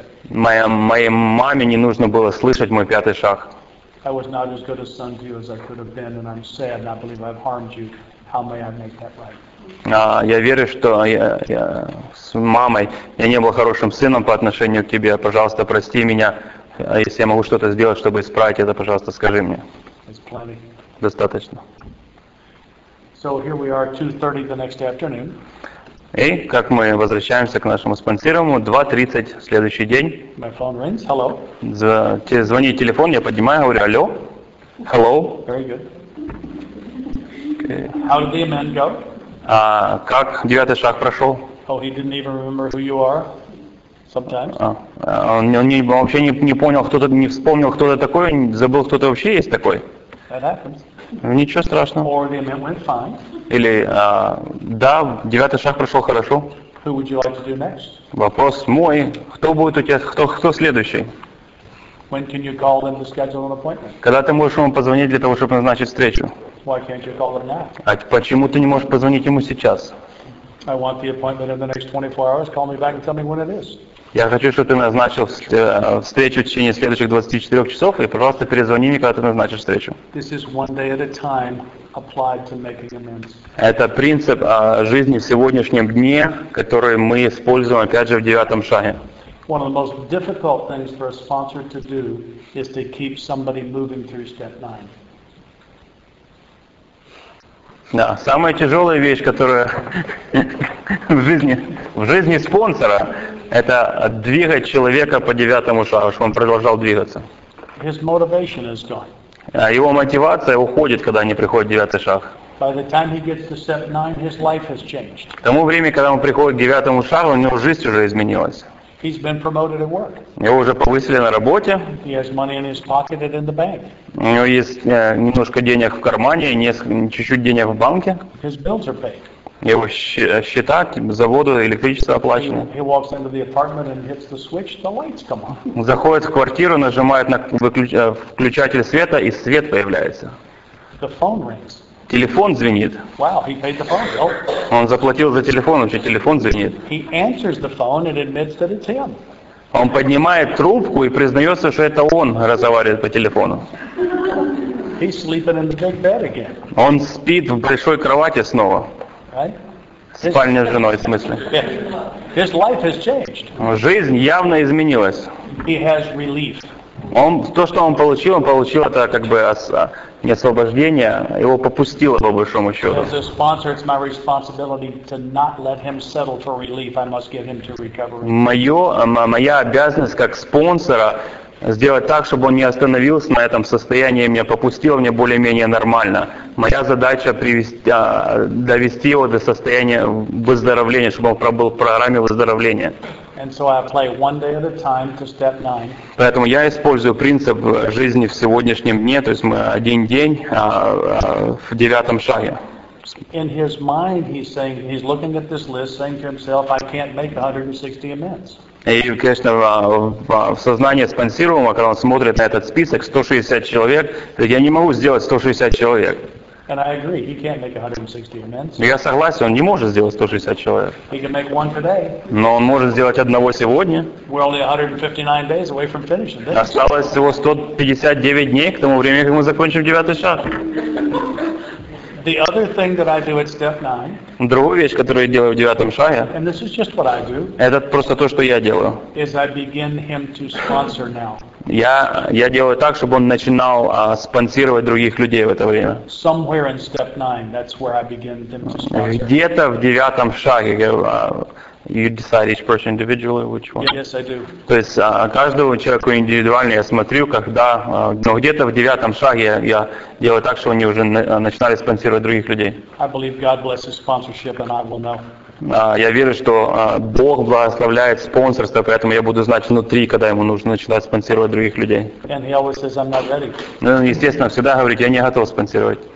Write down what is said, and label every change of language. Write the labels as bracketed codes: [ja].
[ru] Моей маме не нужно было слышать мой пятый шаг. [en] I was not as good a son to you as I could have been, and I'm sad, and I believe I've harmed you. How may I make that right? [ru] Я верю, что я с мамой я не был хорошим сыном по отношению к тебе. Пожалуйста, прости меня. Если я могу что-то сделать, чтобы исправить это, пожалуйста, скажи мне. [en] It's plenty. [ru] Достаточно. [en] So here we are, 2:30 the next afternoon. [ru] И как мы возвращаемся к нашему спонсируемому, 2:30 следующий день. [en] My phone rings. Hello. [ru] Звонит телефон, я поднимаю, говорю, алло. [en] Hello. Very good. How did the amend go? [ru] Как девятый шаг прошел? [en] Oh, he didn't even remember who you are. Sometimes. [ru] Он вообще не понял, кто-то не вспомнил, кто это такой, забыл, кто-то вообще есть такой. [en] That happens. [ru] Ничего страшного. [en] Or the amendment went fine. [ru] Или да, девятый шаг прошел хорошо. [en] Who would you like to do next? [ru] Вопрос мой. Кто будет у тебя, кто следующий? [en] When can you call them to schedule an appointment? [ru] Когда ты можешь ему позвонить для того, чтобы назначить встречу? [en] Why can't you call them now? [ru] А почему ты не можешь позвонить ему сейчас? [en] I want the appointment in the next 24 hours. Call me back and tell me when it is. [ru] Я хочу, чтобы ты назначил встречу в течение следующих 24 часов, и, пожалуйста, перезвони мне, когда ты назначишь встречу. [en] This is one day at a time applied to making amends. [ru] Это принцип жизни в сегодняшнем дне, который мы используем, опять же, в девятом шаге. [en] One of the most difficult things for a sponsor to do is to keep somebody moving through step 9. [ru] Да, самая тяжелая вещь, которая в жизни спонсора, это двигать человека по девятому шагу, чтобы он продолжал двигаться. [en] His motivation is gone. [ru] Его мотивация уходит, когда они приходят в девятый шаг. [en] By the time he gets to step 9, his life has changed. [ru] К тому времени, когда он приходит к девятому шагу, у него жизнь уже изменилась. [en] He's been promoted at work. [ru] Его уже повысили на работе. [en] He has money in his pocket and in the bank. [ru] У него есть немножко денег в кармане, чуть-чуть денег в банке. [en] His bills are paid. [ru] Его счета, заводу, электричество оплачено. [en] He walks into the apartment and hits the switch, the lights come on. [ru] Заходит в квартиру, нажимает на включатель света, и свет появляется. [en] The phone rings. [ru] Телефон звенит. [en] Wow, he paid the phone bill. [ru] Он заплатил за телефон, вообще телефон звенит. [en] He answers the phone and admits that it's him. [ru] Он поднимает трубку и признается, что это он разговаривает по телефону. [en] He's sleeping in the big bed again. [ru] Он спит в большой кровати снова. [en] Right? [ru] Спальня с женой, в смысле. [en] His life has changed. [ru] Жизнь явно изменилась. [en] He has relief. [ru] Он, то, что он получил это как бы не освобождение, его попустило, по большому счету. [en] As a sponsor, it's my responsibility to not let him settle for relief. I must get him to recovery. [ru] Моя обязанность как спонсора сделать так, чтобы он не остановился на этом состоянии, меня попустило, мне более-менее нормально. Моя задача довести его до состояния выздоровления, чтобы он пробыл в программе выздоровления. [en] And so I apply one day at a time to step 9. [ru] Поэтому я использую принцип жизни в сегодняшнем дне, то есть мы один день в девятом шаге. [en] In his mind, he's saying, he's looking at this list, saying to himself, I can't make 160 amends. [ru] И, конечно, в сознании спонсируемого, когда он смотрит на этот список, 160 человек, я не могу сделать 160 человек. [en] And I agree, he can't make 160 amends. [ru] Я согласен, он не может сделать 160 человек. [en] He can make one today. [ru] Но он может сделать одного сегодня. [en] We're only 159 days away from finishing this. [ru] Осталось всего 159 дней к тому времени, как мы закончим девятый шаг. [en] The other thing that I do at step 9. [ru] Другая вещь, которую я делаю в девятом шаге. [en] And this is just what I do. [ru] Это просто то, что я делаю. [en] Is I begin him to sponsor now. [ru] Я делаю так, чтобы он начинал спонсировать других людей в это время. [en] Somewhere in step 9, that's where I begin him to sponsor. [ru] Где-то в девятом шаге. [en] You decide each person individually which one. Yes, I do. [ru] То есть каждому человеку индивидуально я смотрю, когда, но где-то в девятом шаге я делаю так, что они уже начинали спонсировать других людей. [en] I believe God blesses sponsorship and I will know. [ru] Я верю, что Бог благословляет спонсорство, поэтому я буду знать внутри, когда ему нужно начинать спонсировать других людей. [en] And he always says, I'm not ready. [ru] Ну, естественно, всегда говорит, я не готов спонсировать.